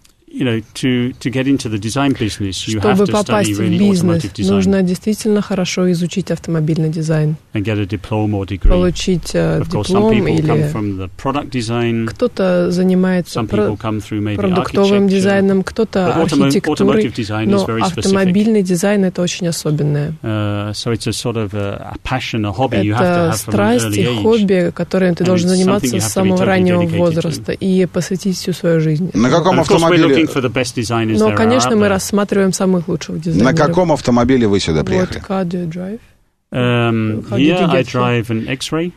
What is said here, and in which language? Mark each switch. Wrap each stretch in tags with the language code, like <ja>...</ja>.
<en>you know, to get into the design business, you</en> <ru>Чтобы</ru> <en>have to study really automotive design.</en> <ru>Нужно действительно хорошо изучить автомобильный дизайн.</ru> <en>And get a diploma or degree.</en> <ru>Получить диплом или.</ru> <en>Come from the product design.</en> <ru>Кто-то занимается</ru> <en>some people come through maybe</en> <ru>продуктовым дизайном, кто-то архитектурой. Но автомобильный дизайн — это очень особенное.</ru> <en>So it's a sort of a passion, a hobby you have to have from an early age.</en> <ru>Это страсть и хобби, которым ты должен заниматься с самого раннего возраста и посвятить всю свою жизнь. На каком автомобиле? Но, конечно, мы рассматриваем самых лучших дизайнеров. На каком автомобиле вы сюда приехали?</ru> <en>What car do you drive? I drive an X-ray.</en>